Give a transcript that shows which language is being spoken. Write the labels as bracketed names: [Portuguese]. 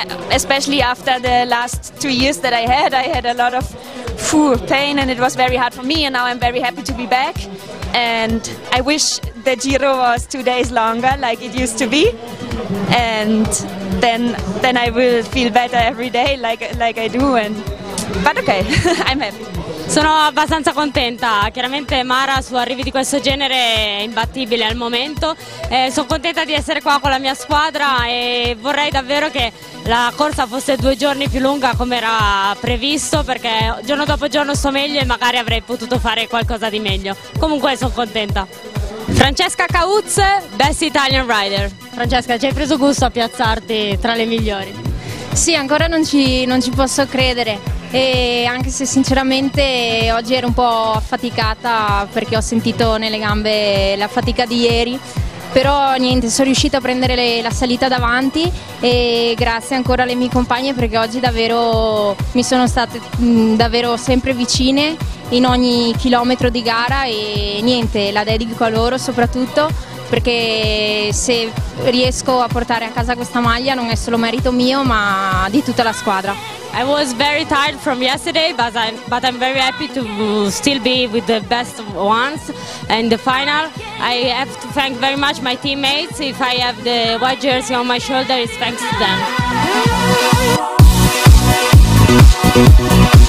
[English] Especially after the last 2 years that I had a lot of pain, and it was very hard for me. And now I'm very happy to be back. And I wish the Giro was 2 days longer, like it used to be. And then I will feel better every day, like I do. But okay, I'm happy. [Italian] Sono abbastanza contenta, chiaramente Mara su arrivi di questo genere è imbattibile al momento, sono contenta di essere qua con la mia squadra e vorrei davvero che la corsa fosse 2 giorni più lunga come era previsto, perché giorno dopo giorno sto meglio e magari avrei potuto fare qualcosa di meglio, comunque sono contenta. Francesca Cauz, [English] best Italian rider. [Italian] Francesca, ci hai preso gusto a piazzarti tra le migliori? Sì, ancora non ci posso credere. E anche se sinceramente oggi ero un po' affaticata perché ho sentito nelle gambe la fatica di ieri, però niente, sono riuscita a prendere la salita davanti e grazie ancora alle mie compagne, perché oggi davvero mi sono state davvero sempre vicine in ogni chilometro di gara e niente, la dedico a loro soprattutto, perché se riesco a portare a casa questa maglia non è solo merito mio ma di tutta la squadra. [English] I was very tired from yesterday, but I'm very happy to still be with the best ones in the final. I have to thank very much my teammates. If I have the white jersey on my shoulder, it's thanks to them.